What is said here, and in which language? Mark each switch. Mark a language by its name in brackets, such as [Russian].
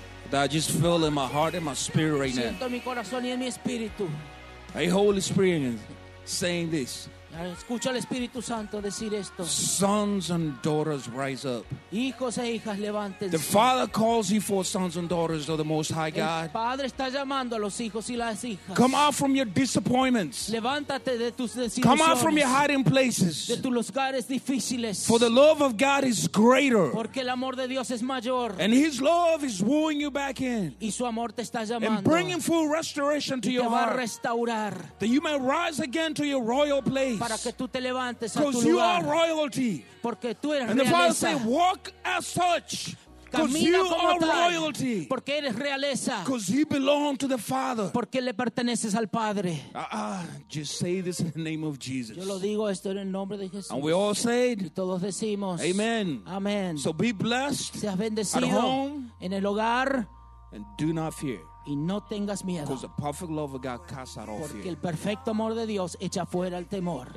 [English] That I just feel in my heart and my spirit right [Spanish] siento [English] now. [Spanish] Mi corazón y en mi espíritu. [English] A Holy Spirit saying this. [Spanish] Escucha al Espíritu Santo decir esto. [English] Sons and daughters rise up. [Spanish] Hijos e hijas levántense. [English] The Father calls you for sons and daughters of the Most High God. [Spanish] El Padre está llamando a los hijos y las hijas. [English] Come out from your disappointments. [Spanish] Levántate de tus desilusiones. [English] Come out from your hiding places. [Spanish] De tus lugares difíciles. [English] For the love of God is greater. [Spanish] Porque el amor de Dios es mayor. [English] And His love is wooing you back in. [Spanish] Y su amor te está llamando. [English] And bringing full restoration to your heart. [Spanish] Y te va a restaurar. [English] That you may rise again to your royal place. [Spanish] Para que tú te levantes a tu lugar. [English] Because you are royalty. [Spanish] Porque tú eres [English] realeza. And the Father said, walk as such. Because you are royalty. [Spanish] Porque eres realeza. [English] Because you belong to the Father. [Spanish] Porque le perteneces al Padre. [English] Just say this in the name of Jesus. [Spanish] Yo lo digo esto en el nombre de Jesús. [English] And we all said, [Spanish] y todos decimos, [English] amen. [Spanish] Amen. [English] So be blessed. [Spanish] Seas bendecido [English] at home. [Spanish] En el hogar. [English] And do not fear. [Spanish] Y no tengas miedo. [English] Because the perfect love of God casts out all fear. [Spanish] Porque el perfecto amor de Dios echa fuera el temor.